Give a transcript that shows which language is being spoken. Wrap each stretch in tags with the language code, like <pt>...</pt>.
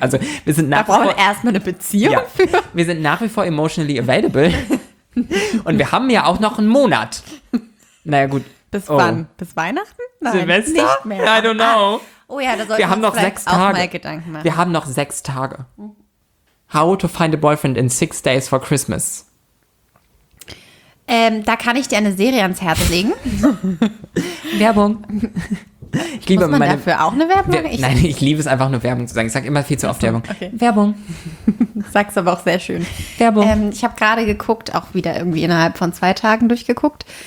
<de>Also wir sind nach da brauchen wir erstmal eine Beziehung für. Wir sind nach wie vor</de> <en>emotionally available.</en> <de>Und wir haben ja auch noch einen Monat. Naja, gut. Bis wann? Bis Weihnachten? Nein, Silvester? Nicht mehr.</de> <en>I don't know.</en> <de>Oh ja, da sollten wir uns vielleicht auch mal Gedanken machen. Wir haben noch 6 Tage.</de> <en>How to find a boyfriend in 6 days for Christmas?</en> <de>Da kann ich dir eine Serie ans Herz legen. Werbung. Ich liebe muss man meine, dafür auch eine Werbung? Nein, ich liebe es einfach, nur Werbung zu sagen. Ich sage immer viel zu oft also, Werbung. Okay. Werbung. Sag's aber auch sehr schön. Werbung. Ich habe gerade geguckt, auch wieder irgendwie innerhalb von 2 Tagen durchgeguckt.</de>